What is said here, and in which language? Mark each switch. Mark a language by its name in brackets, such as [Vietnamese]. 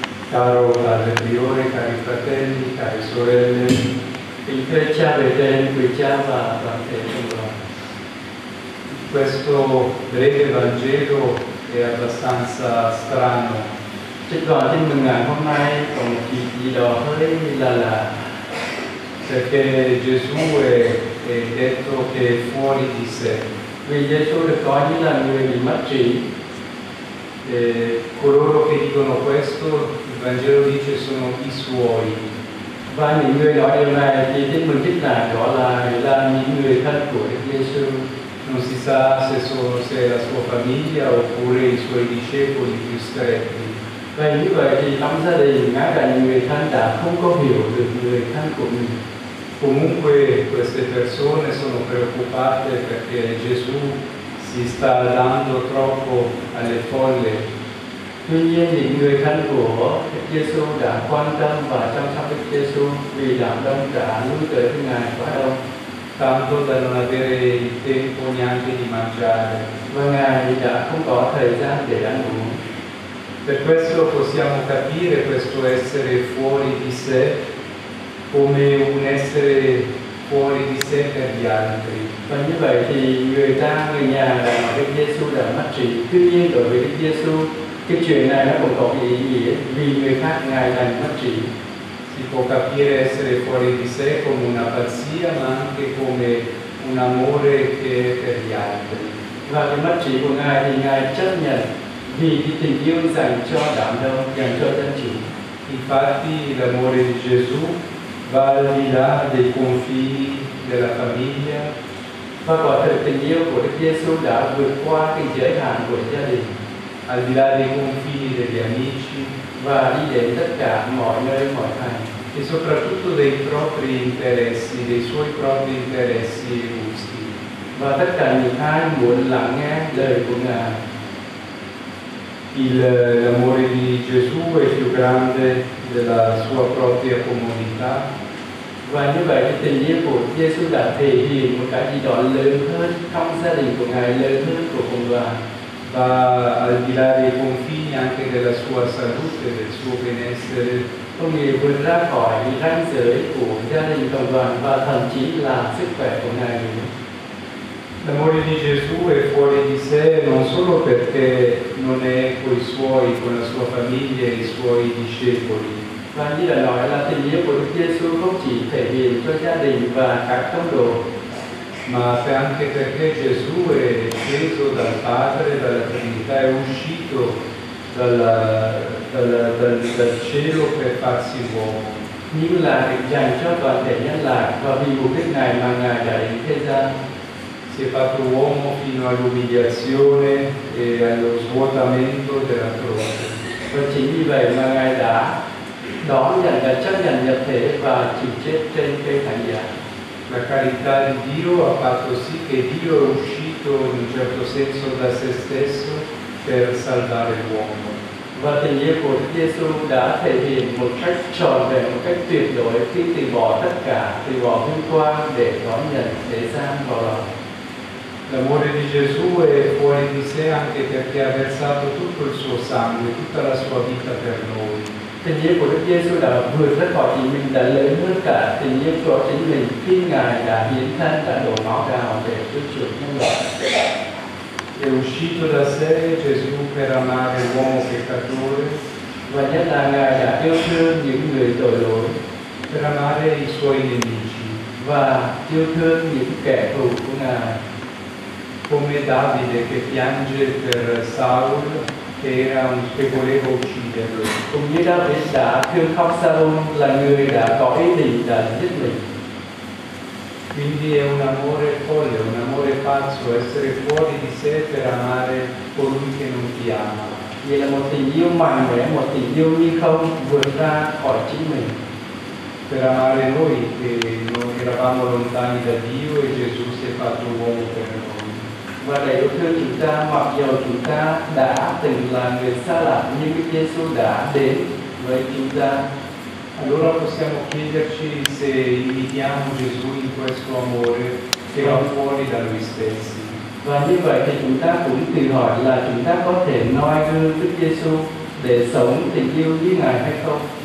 [Italian] Caro padre priore, cari fratelli, cari sorelle, il cresciare tempo chiama a partecipare. Questo breve Vangelo è abbastanza strano. [Vietnamese] Chết đoàn tin mừng ngày hôm nay còn chỉ gì đó hơi là lạ. [Italian] Perché Gesù è detto che fuori di sé. [Vietnamese] Vì [Italian] Gesù è fuori la mia immagine. E coloro che dicono questo, il Vangelo dice, sono i suoi. [Vietnamese] Và những người nói điều này thì tin mừng thích là đó là những người thân của Đức Giêsu. [Italian] Non si sa se è la sua famiglia oppure i suoi discepoli più stretti. [Vietnamese] Và như vậy thì trong gia đình ngay cả những người thân đã không có hiểu được người thân của mình. [Italian] Comunque queste persone sono preoccupate perché Gesù si sta dando troppo alle folle. [Vietnamese] Tuy nhiên những người thân của Giêsu đã quan tâm và chăm sóc Đức Giêsu vì đám đông đã lui tới với Ngài quá đông. [Italian] Tanto da non avere tempo neanche di mangiare. [Vietnamese] Và Ngài đã không có thời gian để ăn uống. [Italian] Per questo possiamo capire questo essere fuori di sé come un essere fuori di sé per gli altri. [Vietnamese] Và như vậy thì người ta, người nhà đã nói Đức Giêsu đã mất trí. Tuy nhiên đối với Đức Giêsu, cái chuyện này nó cũng có ý nghĩa vì người khác ngài đành mất trí. [Italian] Si può capire essere fuori di sé come una pazzia ma anche come un amore che è per gli altri. [Vietnamese] Và cái mất trí của ngài thì ngài chấp nhận vì cái tình yêu dành cho đám đông, dành cho dân chúng. [Italian] Infatti l'amore di Gesù va al di là dei confini della famiglia. [Vietnamese] Và quả thật tình yêu của Đức Giêsu đã vượt qua cái giới hạn của gia đình. [Italian] Al di là dei confini degli amici. [Vietnamese] Và đi đến tất cả mọi nơi mọi thành. [Italian] E soprattutto dei propri interessi, dei suoi propri interessi e gusti. [Vietnamese] Và tất cả những ai muốn lắng nghe lời của Ngài. [Italian] L'amore di Gesù è più grande della sua propria comunità. [Vietnamese] Và như vậy cái tình yêu của Giêsu đã thể hiện một cái gì đó lớn hơn trong gia đình của Ngài, lớn hơn của cộng đoàn. Và [Italian] al di là dei confini anche della sua salute, del suo benessere. [Vietnamese] Có nghĩa vượt ra khỏi cái ranh giới của gia đình cộng đoàn và thậm chí là sức khỏe của Ngài nữa. [Italian] L'amore di Gesù è fuori di sé non solo perché non è coi suoi, con la sua famiglia e i suoi discepoli. [Vietnamese] Và như là nói là tình yêu của Đức Giêsu không chỉ thể hiện cho gia đình và các tông đồ. [Italian] Ma se anche perché Gesù è sceso dal Padre, dalla Trinità, è uscito dal cielo per farsi uomo. [Vietnamese] Nhưng là dành cho toàn thể nhân loại và vì mục đích này mà Ngài đã đến thế gian. [Italian] Si è fatto uomo fino all'umiliazione e allo svuotamento della croce. [Vietnamese] Và chính vì vậy mà Ngài đã đón nhận và chấp nhận nhập thể và chịu chết trên cây thánh giá. [Italian] la carità di Dio ha fatto sì che Dio è uscito in un certo senso da se stesso per salvare l'uomo. [Vietnamese] Và tình yêu của Đức Giêsu đã thể hiện một cách trọn vẹn, một cách tuyệt đối khi từ bỏ tất cả, từ bỏ vinh quang để đón nhận thế gian vào lòng. [Italian] L'amore di Gesù è fuori di sé anche perché ha versato tutto il suo sangue, tutta la sua vita per noi. [Vietnamese] Tình yêu của Đức Giêsu đã vượt ra khỏi chính mình, đã lớn hơn cả tình yêu của chính mình khi Ngài đã hiến thân, đã đổ máu cao để cứu chuộc nhân loại. [Italian] È uscito da sé Gesù per amare l'uomo peccatore, [Vietnamese] và nhất là Ngài đã yêu thương những người tội lỗi, [Italian] per amare i suoi nemici, [Vietnamese] và yêu thương những kẻ thù của Ngài, [Italian] come Davide che piange per Saul che era un che voleva ucciderlo, [Vietnamese] cũng như David đã thương khóc Saul là người đã có ý định đã giết mình. [Italian] Quindi è un amore folle, un amore pazzo, essere fuori di sé per amare colui che non ti ama. [Vietnamese] Vì là một tình yêu mạnh mẽ, một tình yêu như không vượt ra khỏi chính mình. [Italian] Per amare noi che non eravamo lontani da Dio e Gesù si è fatto uomo per noi. [Vietnamese] Và để yêu thương chúng ta, mặc dù chúng ta đã từng là người xa lạ, nhưng Đức Giêsu đã đến với chúng ta. [Italian] Allora possiamo chiederci se imitiamo Gesù in questo amore che va fuori da noi stessi. [Vietnamese] Và như vậy thì chúng ta cũng tự hỏi là chúng ta có thể noi gương Đức Giêsu để sống tình yêu như Ngài hay không?